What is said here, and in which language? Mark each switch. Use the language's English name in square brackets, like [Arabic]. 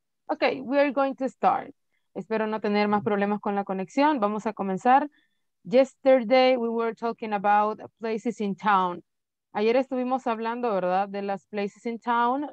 [English] Okay, we are going to start. [Spanish] Espero no tener más problemas con la conexión. Vamos a comenzar. [English] Yesterday we were talking about places in town. [Spanish] Ayer estuvimos hablando, ¿verdad?, de las places in town.